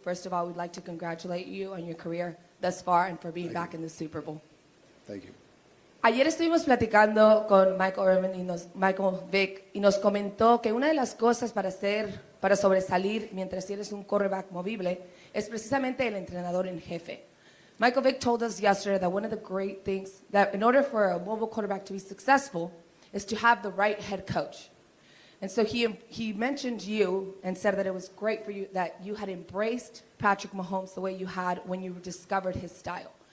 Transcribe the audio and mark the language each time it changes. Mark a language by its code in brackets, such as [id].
[en] First of all, we'd like to congratulate you on your career thus far and for being back in the Super Bowl. Thank you. [es] Ayer estuvimos platicando con Michael Vick y nos comentó que una de las cosas para sobresalir mientras eres un quarterback movible es precisamente el entrenador en jefe. [en] Michael Vick told us yesterday that one of the great things that in order for a mobile quarterback to be successful is to have the right head coach. And so he mentioned you and said that it was great for you that you had embraced Patrick Mahomes the way you had when you discovered his style.